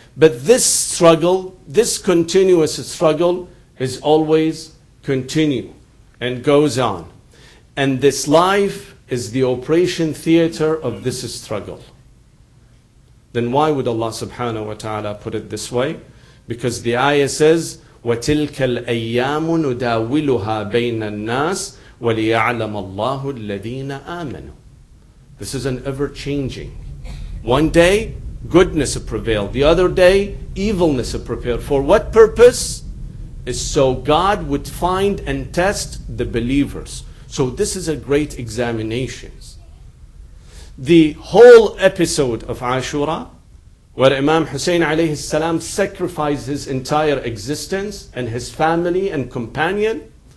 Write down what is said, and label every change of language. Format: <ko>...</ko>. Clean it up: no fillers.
<en>But this struggle, this continuous struggle, is always continue and goes on. And this life is the operation theater of this struggle. Then why would Allah subhanahu wa ta'ala put it this way? Because the ayah says,</en> <ar>وَتِلْكَ الْأَيَّامُ نُدَاوِلُهَا بَيْنَ النَّاسِ وَلِيَعْلَمَ اللَّهُ الَّذِينَ آمَنُوا.</ar> <en>This is an ever-changing. One day, goodness prevailed. The other day, evilness prevailed. For what purpose? Is so God would find and test the believers. So this is a great examination. The whole episode of Ashura, where Imam Hussein alayhi salam sacrificed his entire existence and his family and companion,</en>